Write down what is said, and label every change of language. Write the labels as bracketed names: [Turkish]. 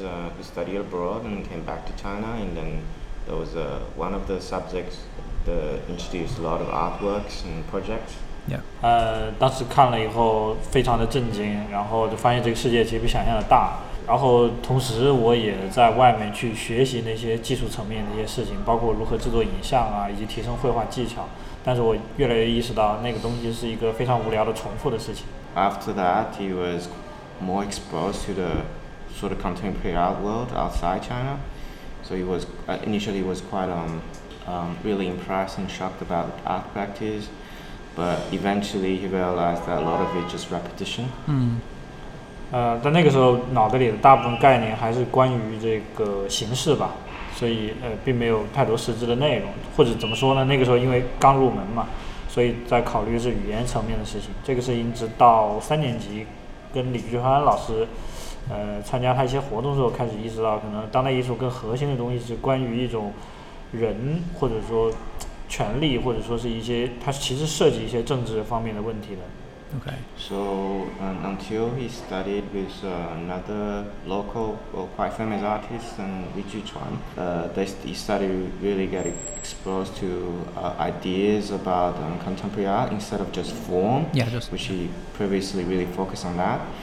[English] who studied abroad and came back to China, and then there was one of the subjects that introduced a lot of artworks and projects. Yeah. [Chinese] 当时看了以后非常的震惊，然后就发现这个世界其实比想象的大，然后同时我也在外面去学习那些技术层面的一些事情，包括如何制作影像啊，以及提升绘画技巧。但是我越来越意识到那个东西是一个非常无聊的重复的事情。 [English] After that, he was more exposed to the sort of contemporary art world outside China. So he was, initially he was quite really impressed and shocked about art practice. But eventually he realized that a lot of it is just repetition. [Chinese] 在那个时候脑袋里的大部分概念还是关于这个形式吧，所以并没有太多实质的内容，或者怎么说呢，那个时候因为刚入门嘛，所以在考虑是语言层面的事情。这个事情直到三年级跟李俊欢老师参加他一些活动之后开始意识到，可能当代艺术更核心的东西是关于一种人或者说权力，或者说是一些它其实涉及一些政治方面的问题的。 [English] Okay. So, until he studied with another local, well, quite famous artist, and Li Jiuquan, he started really getting exposed to ideas about contemporary art instead of just form, which he previously really focused on that.